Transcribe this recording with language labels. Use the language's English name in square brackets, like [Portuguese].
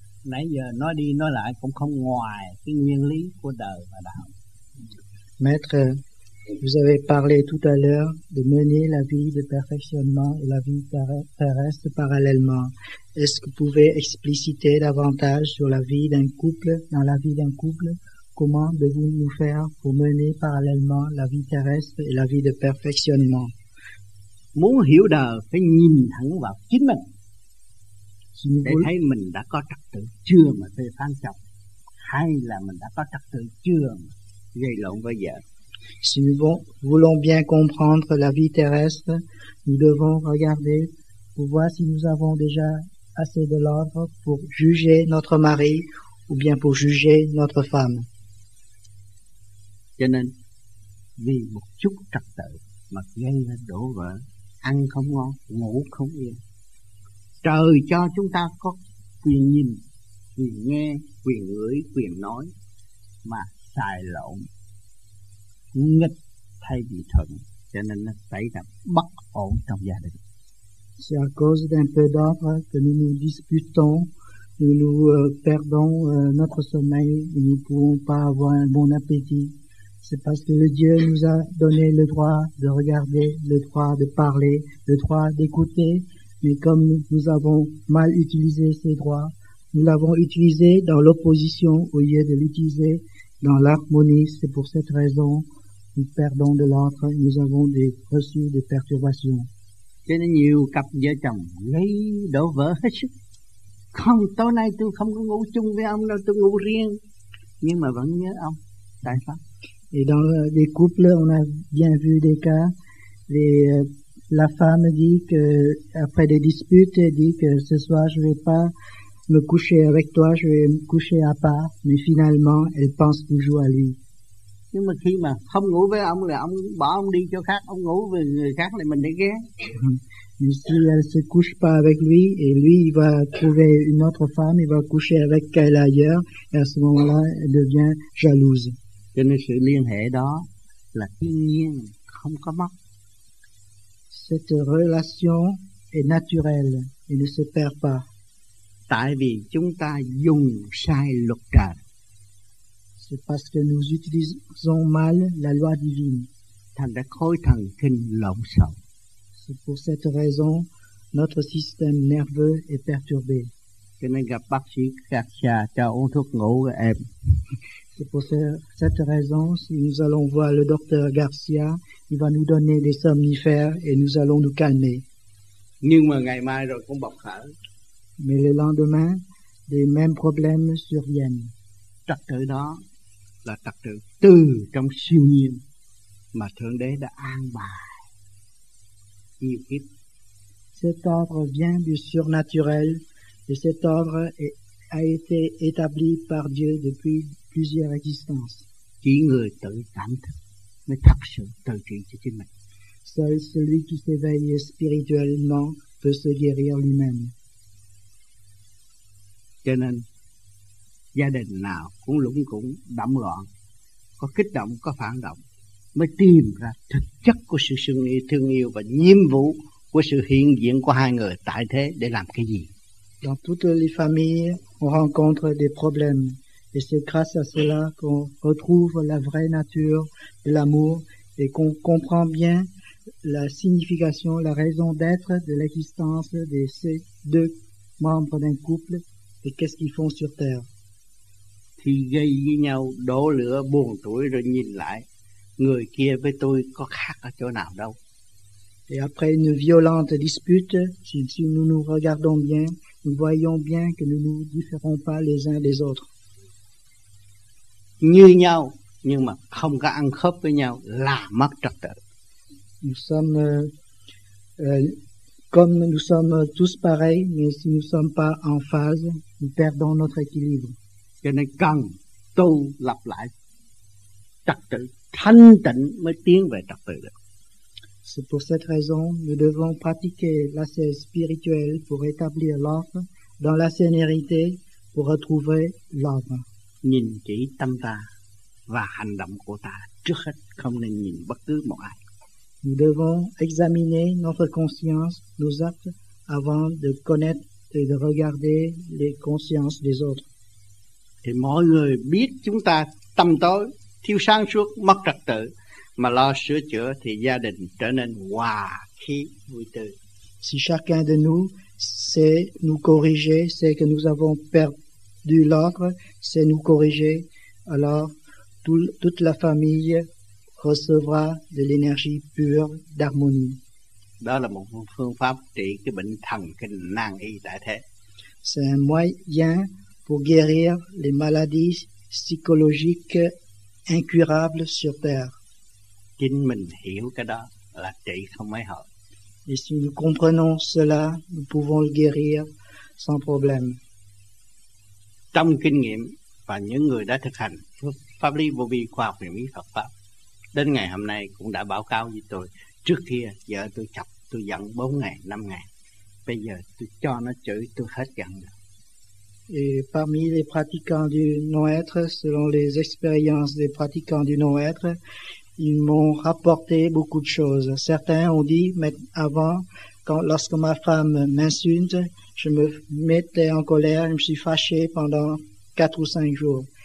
[Vietnamese] Nãy giờ nói đi nói lại cũng không ngoài cái nguyên lý của đời và đạo. [French] Maître, vous avez parlé tout à l'heure de mener la vie de perfectionnement et la vie terrestre parallèlement. Est-ce que vous pouvez expliciter davantage sur la vie d'un couple, dans la vie d'un couple, comment devons-nous nous faire pour mener parallèlement la vie terrestre et la vie de perfectionnement? [Vietnamese] Muốn hiểu đời phải nhìn thẳng vào chính mình. Si để vous... thấy mình đã có trật tự chưa mà phê phán chồng, hay là mình đã có trật tự chưa mà gây lộn với vợ. [French] Si nous voulons bien comprendre la vie terrestre, nous devons regarder pour voir si nous avons déjà assez de l'ordre pour juger notre mari ou bien pour juger notre femme. [Vietnamese] Cho nên, vì một chút trật tự mà gây ra đổ vỡ, ăn không ngon, ngủ không yên. Trời cho chúng ta có quyền nhìn, quyền nghe, quyền ngửi, quyền nói mà xài lộn. Nghịch thay vì thuận, cho nên nó xảy ra bất ổn trong gia đình. [French] C'est à cause d'un peu d'ordre que nous nous disputons, nous nous perdons notre sommeil et nous ne pouvons pas avoir un bon appétit. C'est parce que le Dieu nous a donné le droit de regarder, le droit de parler, le droit d'écouter, mais comme nous avons mal utilisé ces droits, nous l'avons utilisé dans l'opposition au lieu de l'utiliser dans l'harmonie, c'est pour cette raison que nous perdons de l'ordre, nous avons des reçus des perturbations. [Vietnamese] Cho nên nhiều cặp vợ chồng gây đổ vỡ hết sức. Không, tối nay tôi không có ngủ chung với ông đâu, tôi ngủ riêng. Nhưng mà vẫn nhớ ông. Tại sao? [French] Et dans les couples, on a bien vu des cas. La femme dit que, après des disputes, elle dit que ce soir je vais pas me coucher avec toi, je vais me coucher à part, mais finalement elle pense toujours à lui. [Vietnamese] Nhưng mà khi mà không ngủ với ông là ông bỏ ông đi cho khác, ông ngủ với người khác là mình để ghé. [French] Mais si elle se couche pas avec lui et lui il va trouver une autre femme, il va coucher avec elle ailleurs, et à ce moment-là elle devient jalouse. [Vietnamese] Cho nên sự liên hệ đó là thiên nhiên, không có mất. [French] Cette relation est naturelle et ne se perd pas. [Vietnamese] Tại vì chúng ta dùng sai luật trời. [French] C'est parce que nous utilisons mal la loi divine. [Vietnamese] Thành ra khối thần kinh lộn xộn. [French] C'est pour cette raison notre système nerveux est perturbé. [Vietnamese] Cho nên gặp bác sĩ khắc xa cho uống thuốc ngủ rồi em. [French] C'est pour cette raison si nous allons voir le docteur Garcia, il va nous donner des somnifères et nous allons nous calmer. [Vietnamese] Nhưng mà ngày mai rồi cũng bộc khởi. [French] Mais le lendemain, les mêmes problèmes surviennent. [Vietnamese] Trật tự đó là trật tự từ trong siêu nhiên mà Thượng Đế đã an bài nhiều kiếp. [French] Cet ordre vient du surnaturel et cet ordre a été établi par Dieu depuis plusieurs existences. [Vietnamese] Chỉ người tự cảm thức mới thật sự tự trị cho chính mình. [French] Seul celui qui s'éveille spirituellement peut se guérir lui-même. [Vietnamese] Cho nên gia đình nào cũng lũng củng đậm loạn, có kích động, có phản động, mới tìm ra thực chất của sự thương yêu và nhiệm vụ của sự hiện diện của hai người tại thế để làm cái gì. [French] Dans toutes les familles, on rencontre des problèmes, et c'est grâce à cela qu'on retrouve la vraie nature de l'amour et qu'on comprend bien la signification, la raison d'être de l'existence de ces deux membres d'un couple et qu'est-ce qu'ils font sur terre. [Vietnamese] Thì gây với nhau đổ lửa buồn tuổi rồi nhìn lại người kia với tôi có khác ở chỗ nào đâu. [French] Et après une violente dispute, si nous nous regardons bien, nous voyons bien que nous nous différons pas les uns des autres. [Vietnamese] Như nhau nhưng mà không có ăn khớp với nhau là mất trật tự. [French] Nous sommes Comme nous sommes tous pareils, mais si nous ne sommes pas en phase, nous perdons notre équilibre. [Vietnamese] Cho nên cần tu lập lại trật tự, thanh tịnh mới tiến về trật tự được. [French] C'est pour cette raison, nous devons pratiquer l'ascèse spirituelle pour établir l'ordre dans la sérénité, pour retrouver l'ordre. [Vietnamese] Nhìn chỉ tâm ta và hành động của ta trước hết, không nên nhìn bất cứ một ai. [French] Nous devons examiner notre conscience, nos actes, avant de connaître et de regarder les consciences des autres. [Vietnamese] Thì mọi người biết chúng ta tâm tối, thiếu sáng suốt, mất trật tự, mà lo sửa chữa thì gia đình trở nên hòa khí vui tươi. [French] Si chacun de nous sait nous corriger, sait que nous avons perdu l'ordre, sait nous corriger, alors toute la famille recevra de l'énergie pure d'harmonie. [Vietnamese] Đó là một phương pháp trị cái bệnh thần kinh nan y tại thế. [French] C'est un moyen pour guérir les maladies psychologiques incurables sur terre. [Vietnamese] Chính mình hiểu cái đó là trị không mấy hợp. [French] Et si nous comprenons cela, nous pouvons le guérir sans problème. [Vietnamese] Trong kinh nghiệm và những người đã thực hành pháp lý vô vi khoa học huyền bí Phật pháp đến ngày hôm nay cũng đã báo cáo với tôi, trước kia vợ tôi chập tôi giận 4 ngày 5 ngày, bây giờ tôi cho nó chửi tôi hết giận rồi. [French] Et parmi les pratiquants du non-être, selon les expériences des pratiquants du non-être, ils m'ont rapporté beaucoup de choses. Certains ont dit, mais avant, lorsque ma femme m'insulte, je me mettais en colère, je me suis fâché pendant 4 ou 5 jours.